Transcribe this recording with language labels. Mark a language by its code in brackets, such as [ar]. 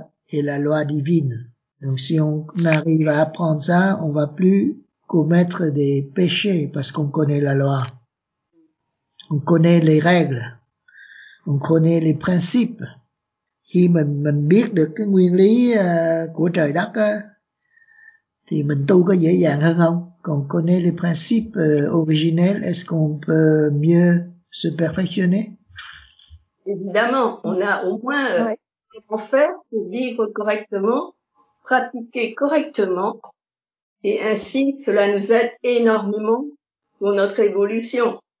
[fr] Et la loi, divine. Donc, si on arrive à apprendre ça, on va plus commettre des péchés parce qu'on connaît la loi. On connaît les règles. On connaît les principes. [vi] Khi mình biết được cái nguyên lý của trời đất á, thì mình tu có dễ dàng hơn không? [fr] Quand on connaît les principes originels, est-ce qu'on peut mieux se perfectionner? Évidemment, on a au moins comment faire pour vivre correctement, pratiquer correctement, et ainsi cela nous aide énormément pour notre évolution.